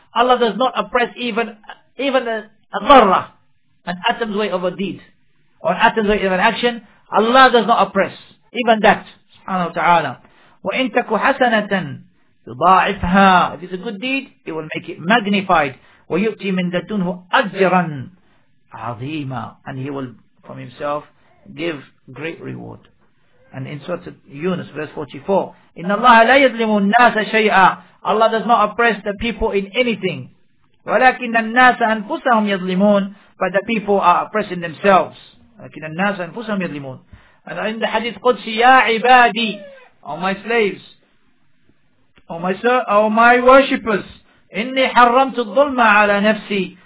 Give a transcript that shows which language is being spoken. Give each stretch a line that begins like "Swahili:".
English: Allah does not oppress even a ذَرَّة, an atom's weight of a deed, or an atom's weight of an action. Allah does not oppress even that, subhanahu wa ta'ala.
Arabic: وَإِنْ تَكُ حَسَنَةً يُضَاعِفْهَا.
English: If it's a good deed, it will make it magnified.
Arabic: وَيُؤْتِي مِنْ دَتُنْهُ أَجْرًا عَظِيمًا.
English: And He will, from Himself, give great reward. And in Surah Yunus, verse 44,
Arabic: إِنَّ اللَّهَ لَا يَظْلِمُ النَّاسَ شَيْئًا.
English: Allah does not oppress the people in anything.
Arabic: وَلَكِنَّ النَّاسَ أَنفُسَهُمْ يَظْلِمُونَ.
English: But the people are oppressing themselves.
Arabic: وَلَكِنَّ النَّاسَ أَنفُسَهُمْ يَظْلِمُونَ.
English: And in the Hadith Qudsi,
Arabic: يَا عِبَادِي,
English: O my slaves, O my worshippers,
Arabic: إِنِّي حَرَّمْتُ الظُّلْمَ عَلَى نَفْسِي.